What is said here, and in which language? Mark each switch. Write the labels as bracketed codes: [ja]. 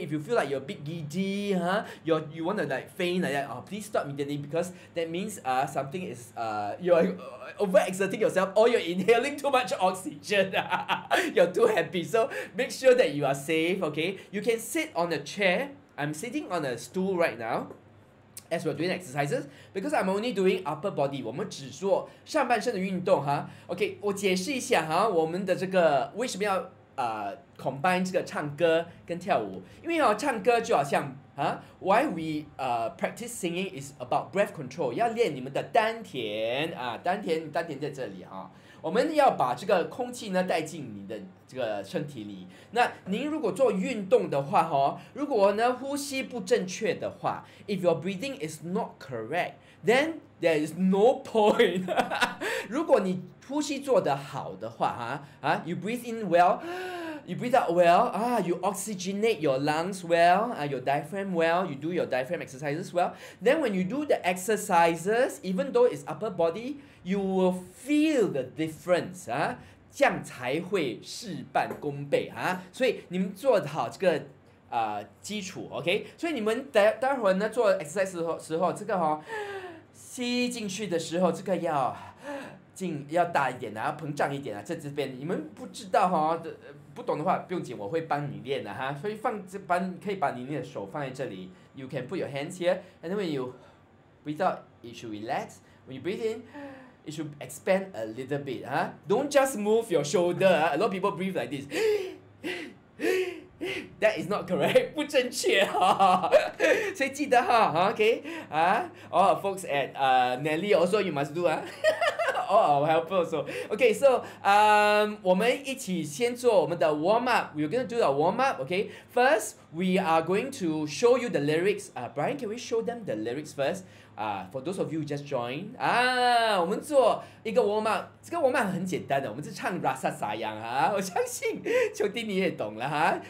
[en] If you feel like you're a bit giddy, you want to like faint like that, please stop immediately because that means something is, you're overexerting yourself or you're inhaling too much oxygen, you're too happy. So make sure that you are safe, okay? You can sit on a chair. I'm sitting on a stool right now. As we're doing exercises, because I'm only doing upper body, [zh] 我们只做上半身的运动哈。 OK, 我解释一下哈，我们的这个为什么要combine 这个唱歌跟跳舞？因为唱歌就好像 [en] why we practice singing is about breath control, [zh] 要练你们的丹田啊，丹田在这里哈。我们要把这个空气呢带进你的这个身体里。那您如果做运动的话，如果呢呼吸不正确的话 ， [en] if your breathing is not correct, then there is no point. [zh] 如果你呼吸做得好的话， [en] you breathe in well, you breathe out well, you oxygenate your lungs well, your diaphragm well, you do your diaphragm exercises well. Then when you do the exercises, even though it's upper body, you will feel the difference, [zh] 这样才会事半功倍, [en] 所以你们做好这个 基础, OK? [zh] 所以你们待会儿呢, 做 exercise的时候, 这个哦, 吸进去的时候, 这个要 进要大一点啊，膨胀一点啊，在这边你们不知道哈，不懂的话不用紧，我会帮你练的哈。所以放这把，可以把你练的手放在这里。 [en] You can put your hands here, and then when you breathe out, it should relax. When you breathe in, it should expand a little bit, huh? Don't just move your shoulder. A lot of people breathe like this. That is not correct, [zh] 不正确哈。所以记得哈, [en] OK? All our folks at Nelly also, you must do. All our helpers also. [zh] OK, so 我们一起先做我们的 warm up. [en] We're going to do our warm up, OK? First, we are going to show you the lyrics. Brian, can we show them the lyrics first? For those of you who just joined, [zh] 我们做一个 warm up. 这个 warm up 很简单的，我们是唱 Rasa Sayang 啊。我相信秋弟你也懂了哈。